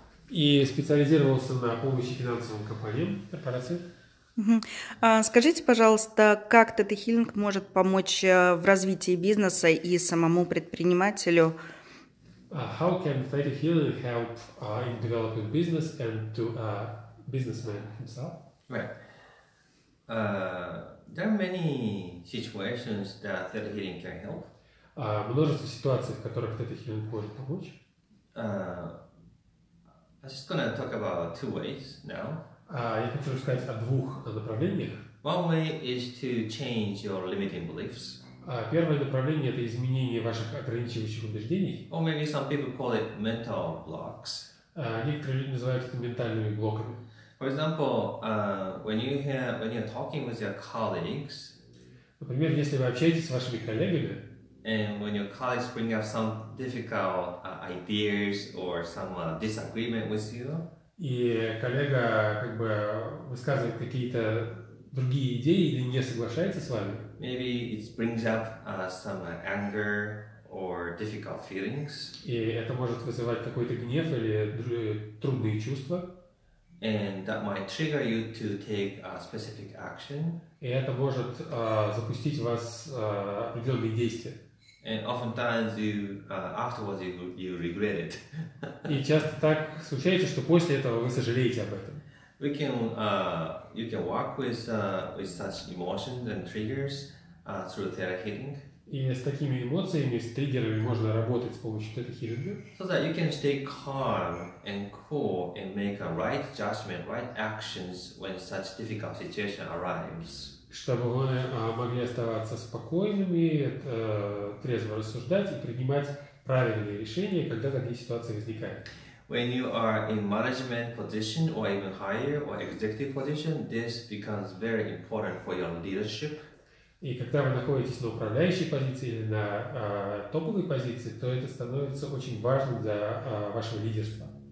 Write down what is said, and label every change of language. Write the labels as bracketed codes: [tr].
[ru] И специализировался на помощи финансовым компаниям, корпорациям. Скажите, пожалуйста, как тета-хилинг может помочь в развитии бизнеса и самому предпринимателю? [en] How can tета-хилинг help in developing business and to a businessman himself? Right. There are many situations that tета-хилинг can help. [ru] Множество ситуаций, в которых тета-хилинг может помочь. [en] I'm just gonna talk about two ways now. [ru] Я хочу рассказать о двух направлениях. [en] One way is to change your limiting beliefs. [ru] Первое направление — это изменение ваших ограничивающих убеждений. [en] Or maybe some people call it mental blocks. [ru] Некоторые люди называют это ментальными блоками. [en] For example, when you're talking with your colleagues. [ru] Например, если вы общаетесь с вашими коллегами. [en] And when your colleagues bring up some difficult ideas or some disagreement with you. [ru] И коллега как бы высказывает какие-то другие идеи или не соглашается с вами. [en] Maybe it brings up some anger or difficult feelings. [ru] И это может вызывать какой-то гнев или трудные чувства. [en] And that might trigger you to take a specific action. [ru] И это может запустить вас определенные действия. [en] And oftentimes you afterwards regret it. [ru] И часто так случается, что после этого вы сожалеете об этом. [en] We can you can work with such emotions and triggers through tета-хилинг. [ru] И с такими эмоциями, с триггерами можно работать с помощью тета-хилинга. [en] So that you can stay calm and cool and make a right judgment, right actions when such difficult situation arrives. [ru] Чтобы вы могли оставаться спокойными, трезво рассуждать и принимать правильные решения, когда такие ситуации возникают. [en] When you are in management position or even higher or executive position, this becomes very important for your leadership. [ru] И когда вы находитесь на управляющей позиции или на топовой позиции, то это становится очень важным для вашего лидерства.